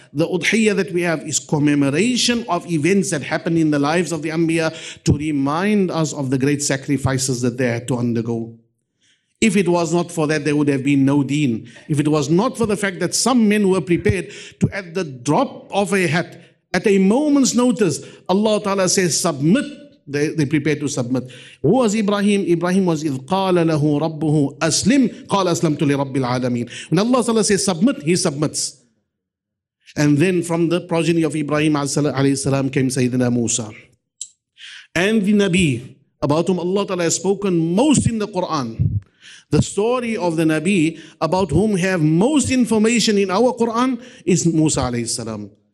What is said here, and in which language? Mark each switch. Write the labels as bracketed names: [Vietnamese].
[English] The Udhiyah that we have is commemoration of events that happened in the lives of the Anbiya to remind us of the great sacrifices that they had to undergo. If it was not for that, there would have been no deen. If it was not for the fact that some men were prepared to, at the drop of a hat, at a moment's notice, Allah Ta'ala says, submit. They prepared to submit. Who was Ibrahim? Ibrahim was, [Arabic] إِذْ قَالَ لَهُ رَبُّهُ أَسْلِمْ قَالَ أَسْلَمْتُ لِرَبِّ الْعَالَمِينَ. [English] When Allah Ta'ala says, submit, he submits. And then from the progeny of Ibrahim السلام, came Sayyidina Musa. And the Nabi, about whom Allah Ta'ala has spoken most in the Quran, the story of the Nabi about whom have most information in our Quran is Musa alayhi salam.